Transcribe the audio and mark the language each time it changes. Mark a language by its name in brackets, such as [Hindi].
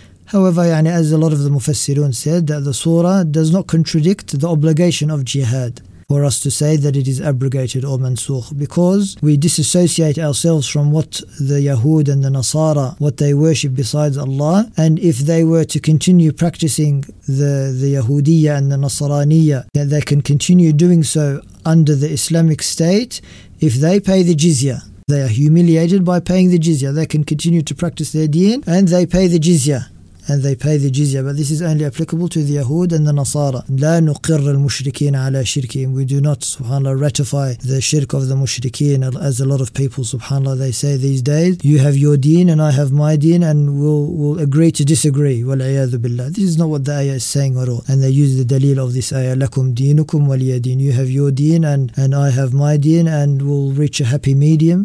[English] However, يعني, as a lot of the mufassirun said, that the surah does not contradict the obligation of jihad for us to say that it is abrogated or mansukh, because we disassociate ourselves from what the Yahud and the Nasara, what they worship besides Allah, and if they were to continue practicing the Yahudiyya and the Nasaraniyya, that they can continue doing so under the Islamic State, if they pay the jizya. They are humiliated by paying the jizya. They can continue to practice their deen and they pay the jizya. And they pay the jizya. But this is only applicable to the Yahud and the Nasara. [Arabic] لا نقر المشركين على شركهم. [English] We do not, subhanAllah, ratify the shirk of the mushrikeen, as a lot of people, subhanAllah, they say these days. You have your deen and I have my deen, and we'll agree to disagree. [Arabic] وَالْعِيَاذُ بِاللَّهِ. [English] This is not what the ayah is saying at all. And they use the dalil of this ayah. [Arabic] لَكُمْ دِينُكُمْ وَلِيَ دِينَ. [English] You have your deen and I have my deen, and we'll reach a happy medium.